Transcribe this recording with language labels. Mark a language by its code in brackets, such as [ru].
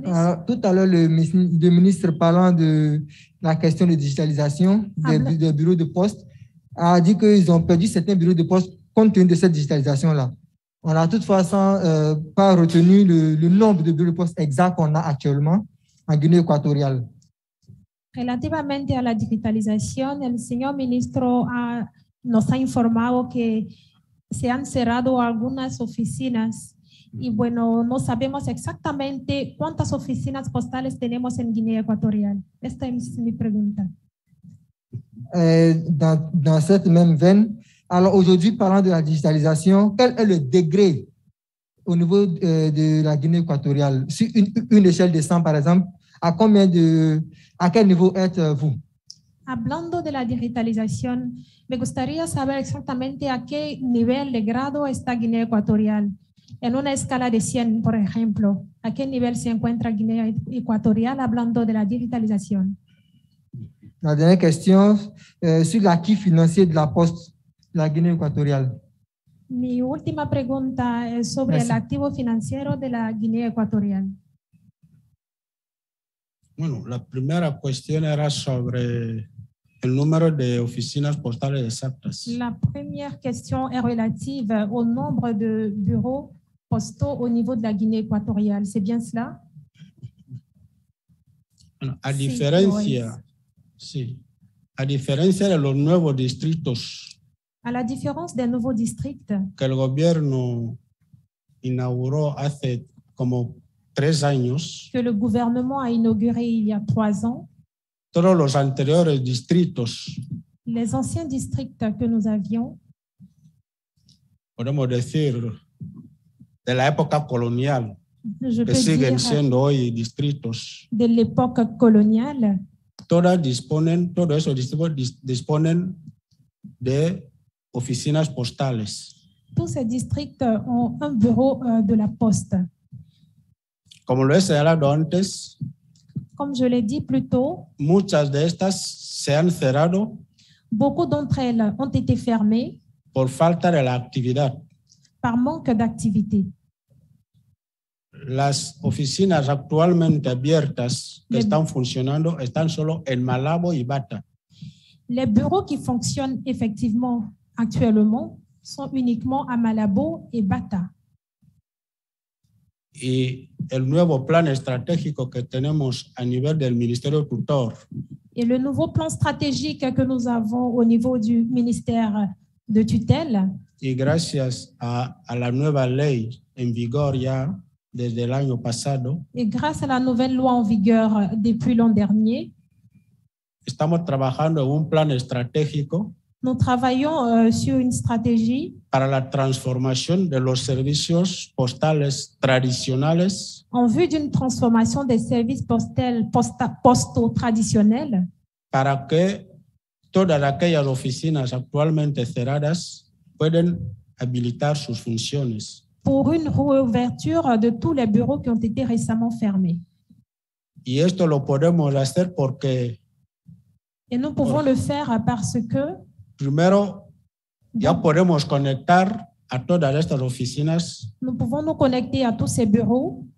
[fr] Alors, tout à l'heure, le ministre parlant de la question de digitalisation des bureaux de poste a dit qu'ils ont perdu certains bureaux de poste compte tenu de cette digitalisation-là. On n'a toutefois pas retenu le nombre de bureaux de poste exact qu'on a actuellement en Guinée équatoriale. [es] Relativamente a la digitalización, el señor ministro nos ha informado que se han cerrado algunas oficinas y bueno, no sabemos exactamente cuántas oficinas postales tenemos en Guinea Ecuatorial. Esta es mi pregunta. [fr] Dans cette même veine, alors aujourd'hui, parlant de la digitalisation, quel est le degré au niveau de la Guinée équatoriale? Sur une échelle de 100, par exemple, à combien de... à quel niveau êtes-vous? [es] Hablando de la digitalisation, me gustaría saber exactamente a qué nivel de grado está Guinea Ecuatorial. En una escala de 100, por ejemplo, a qué nivel se encuentra Guinea Ecuatorial hablando de la digitalisation? [fr] La dernière question, sur l'acquis financier de la poste. La Guinée équatoriale. [es] Mi última pregunta es sobre el activo financiero de la Guinée Ecuatoriale. Bueno, la primera cuestión era sobre el número de oficinas postales exactas. [fr] La première question est relative au nombre de bureaux postaux au niveau de la Guinée Équatoriale. C'est bien cela? [es] Bueno, a diferencia, sí, a diferencia de los nuevos distritos. [fr] À la différence des nouveaux districts que le gouvernement [es] inauguró hace como 3 años, [fr] que le gouvernement a inauguré il y a 3 ans, [es] todos los anteriores distritos, [fr] les anciens districts que nous avions, [es] podemos decir de la época colonial, que siguen siendo hoy distritos, [fr] de l'époque coloniale, [es] todos esos distritos disponen de oficinas postales. [fr] Tous ces districts ont un bureau de la poste. [es] Como lo he señalado antes, [fr] comme je l'ai dit plus tôt, [es] muchas de estas se han cerrado. [fr] Beaucoup d'entre elles ont été fermées. [es] Por falta de la actividad. [fr] Par manque d'activité. [es] Las oficinas actualmente abiertas que están funcionando están solo en Malabo y Bata. [fr] Les bureaux qui fonctionnent effectivement actuellement, sont uniquement à Malabo et Bata. [es] Et el nuevo plan estratégico que tenemos a nivel del Ministerio Tutor. [fr] Et le nouveau plan stratégique que nous avons au niveau du ministère de tutelle. [es] Y gracias a la nueva ley en vigor ya desde el año pasado. [fr] Et grâce à la nouvelle loi en vigueur depuis l'an dernier. [es] Estamos trabajando en un plan estratégico. [fr] Nous travaillons sur une stratégie [es] para la transformación de los servicios postales tradicionales [fr] en vue d'une transformation des services postaux traditionnels [es] para que todas aquellas oficinas actualmente cerradas puedan habilitar sus funciones [fr] pour une réouverture de tous les bureaux qui ont été récemment fermés. [es] Y esto lo podemos hacer porque [fr] et nous pouvons le faire parce que [es] primero, ya podemos conectar a todas estas oficinas. [fr] Nous pouvons nous connecter à tous ces bureaux.